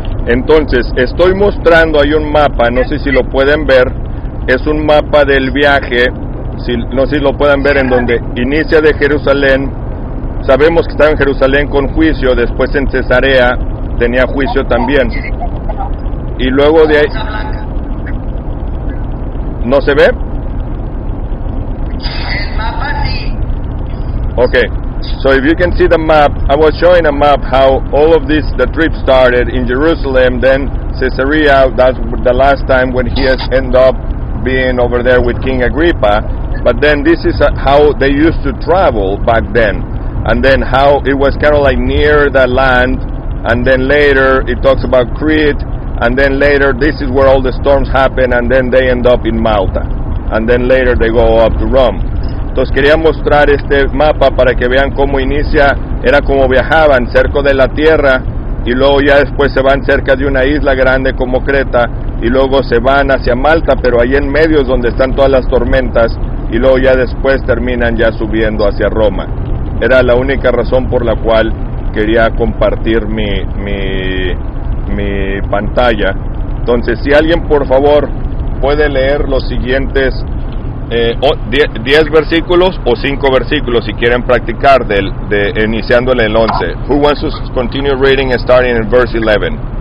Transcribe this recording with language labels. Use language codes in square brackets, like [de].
[es] Entonces, estoy mostrando ahí un mapa, no sé si lo pueden ver, es un mapa del viaje, no sé si lo puedan ver, en donde inicia de Jerusalén, sabemos que estaba en Jerusalén con juicio, después en Cesarea tenía juicio también, y luego de ahí, ¿no se ve? El mapa sí. Okay. [en] So if you can see the map, I was showing a map how all of this, the trip started in Jerusalem, then Caesarea, that's the last time when he has ended up being over there with King Agrippa, but then this is how they used to travel back then, and then how it was kind of like near the land, and then later it talks about Crete, and then later this is where all the storms happen, and then they end up in Malta, and then later they go up to Rome. [es] Entonces quería mostrar este mapa para que vean cómo inicia, era como viajaban cerca de la tierra y luego ya después se van cerca de una isla grande como Creta y luego se van hacia Malta, pero ahí en medio es donde están todas las tormentas y luego ya después terminan ya subiendo hacia Roma. Era la única razón por la cual quería compartir mi pantalla. Entonces, si alguien por favor puede leer los siguientes 10 versículos o 5 versículos si quieren practicar de iniciando en el 11. [en] Who wants to continue reading and starting in verse 11?